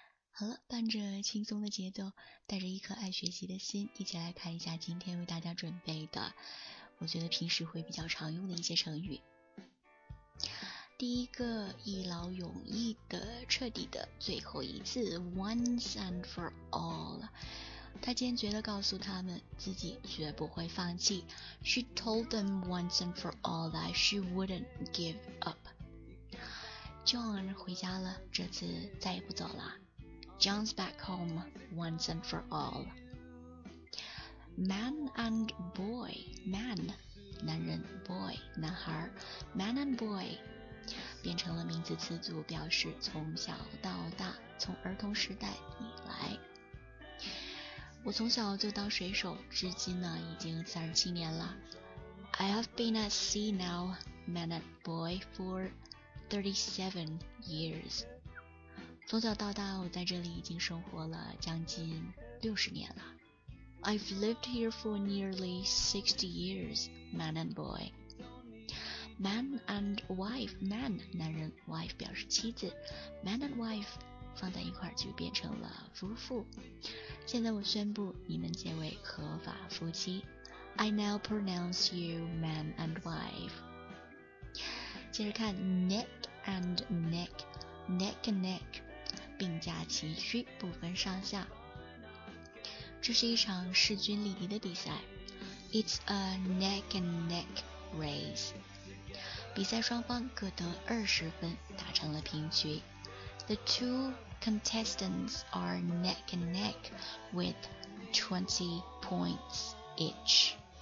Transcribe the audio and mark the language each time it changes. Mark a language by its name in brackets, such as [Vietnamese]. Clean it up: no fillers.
[Chinese] 好了，伴着轻松的节奏，带着一颗爱学习的心，一起来看一下今天为大家准备的，我觉得平时会比较常用的一些成语。第一个，一劳永逸的，彻底的，最后一次 ， [English] once and for all。 [Chinese] 他坚决地告诉他们自己绝不会放弃。 [English] She told them once and for all that she wouldn't give up. [Chinese] John 回家了，这次再也不走了。 [English] John's back home once and for all. Man and boy, man [Chinese] 男人 boy 男孩 [English] man and boy [Chinese] 变成了名字词组，表示从小到大，从儿童时代以来。我从小就当水手，至今呢已经37年了。 [English] I have been at sea now man and boy for 37 years。 [Chinese] 从小到大我在这里已经生活了将近60年了。 [English] I've lived here for nearly 60 years, man and boy. Man and wife, man, [Chinese] 男人 wife 表示妻子 [English] man and wife [Chinese] 放在一块就变成了夫妇。现在我宣布你们结为合法夫妻。 [English] I now pronounce you man and wife. [Chinese] 接着看 [English] neck and neck, neck and neck, [Chinese] 并驾齐驱，不分上下。这是一场势均力敌的比赛。 [English] It's a neck and neck race. [Chinese] 比赛双方各得20分，打成了平局。 [English] The two contestants are neck and neck with 20 points each.